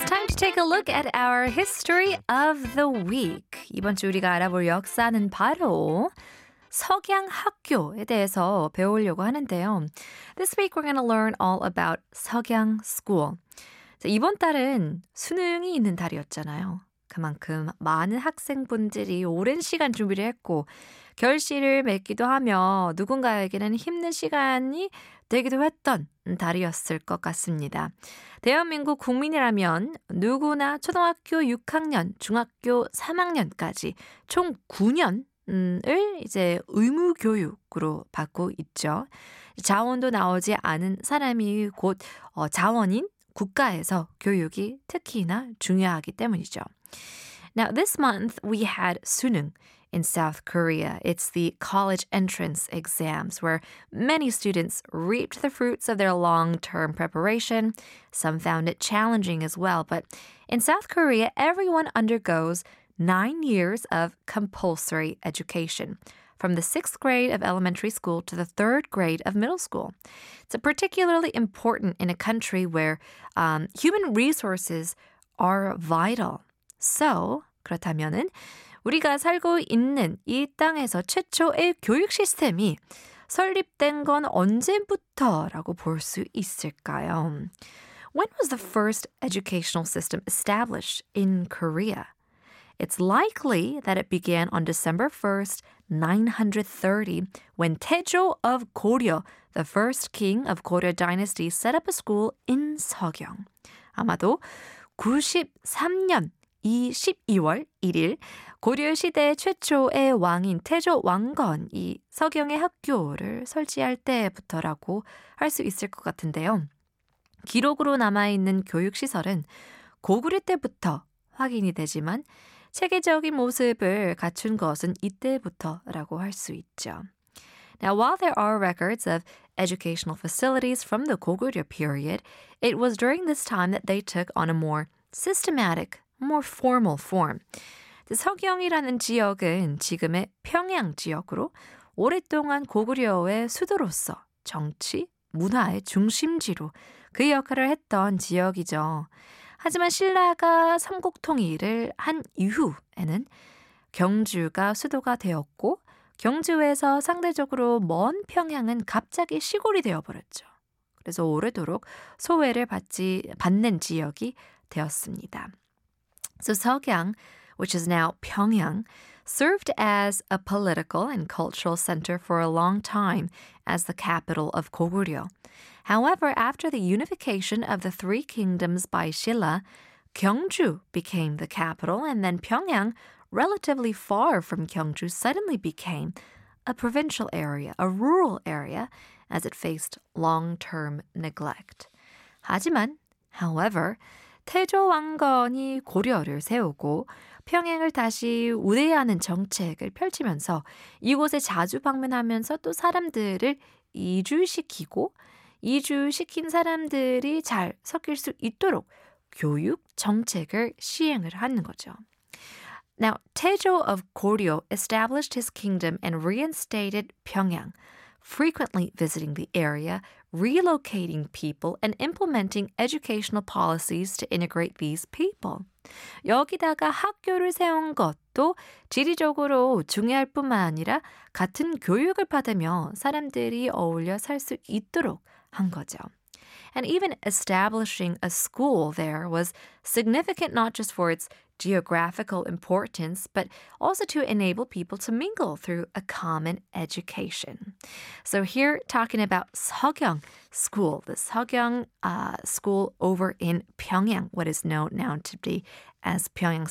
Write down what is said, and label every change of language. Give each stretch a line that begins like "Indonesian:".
English: to take a look at our history of the week.
Korean: 이번 주 우리가 알아볼 역사는 바로 석양학교에 대해서 배우려고 하는데요.
English: This week we're going to learn all about 석양 school.
Korean: 이번 달은 수능이 있는 달이었잖아요. 그만큼 많은 학생분들이 오랜 시간 준비를 했고 결실을 맺기도 하며 누군가에게는 힘든 시간이 되기도 했던 달이었을 것 같습니다. 대한민국 국민이라면 누구나 초등학교 6학년, 중학교 3학년까지 총 9년 을 이제 의무교육으로 받고 있죠. 자원도 나오지 않은 사람이 곧 자원인 국가에서 교육이 특히나 중요하기 때문이죠.
English: Now this month we had 수능 in South Korea. It's the college entrance exams where many students reaped the fruits of their long-term preparation. Some found it challenging as well, but in South Korea everyone undergoes 9 years of compulsory education, from the 6th grade of elementary school to the 3rd grade of middle school. It's particularly important in a country where human resources are vital.
Korean: So, 그렇다면은 우리가 살고 있는 이 땅에서 최초의 교육 시스템이 설립된 건 언제부터라고 볼 수 있을까요?
English: When was the first educational system established in Korea? It's likely that it began on December 1st, 930, when Taejo of Goryeo, the first king of Goryeo dynasty, set up a school in Seogyeong.
Korean: 아마도 93년 이 12월 1일 고려 시대 최초의 왕인 태조 왕건이 서경의 학교를 설치할 때부터라고 할 수 있을 것 같은데요. 기록으로 남아있는 교육시설은 고구려 때부터 확인이 되지만 체계적인 모습을 갖춘 것은 이때부터라고 할 수 있죠. Now, while there are records of educational facilities from the Goguryeo period, it was during this time that they took on a more systematic, more formal form. 서경이라는 지역은 지금의 평양 지역으로 오랫동안 고구려의 수도로서 정치, 문화의 중심지로 그 역할을 했던 지역이죠. 하지만 신라가 삼국통일을 한 이후에는 경주가 수도가 되었고 경주에서 상대적으로 먼 평양은 갑자기 시골이 되어버렸죠. 그래서 오래도록 소외를 받는 지역이 되었습니다.
English: So 석양, which is now Pyongyang, served as a political and cultural center for a long time as the capital of Goguryeo. However, after the unification of the three kingdoms by Silla, Gyeongju became the capital, and then Pyongyang, relatively far from Gyeongju, suddenly became a provincial area, a rural area, as it faced long-term neglect.
Korean: 하지만, however, 태조 왕건이 고려를 세우고 평양을 다시 우대하는 정책을 펼치면서 이곳에 자주 방문하면서 또 사람들을 이주시키고 이주시킨 사람들이 잘 섞일 수 있도록 교육 정책을 시행을 하는 거죠.
English: Now, Taejo of Goryeo established his kingdom and reinstated Pyongyang, frequently visiting the area, relocating people, and implementing educational policies to integrate these people.
Korean: 여기다가 학교를 세운 것도 지리적으로 중요할 뿐만 아니라 같은 교육을 받으며 사람들이 어울려 살 수 있도록 한 거죠.
English: And even establishing a school there was significant not just for its geographical importance, but also to enable people to mingle through a common education. So here, talking about 석양 school, the 석양 school over in Pyongyang, what is known now to be as Pyongyang.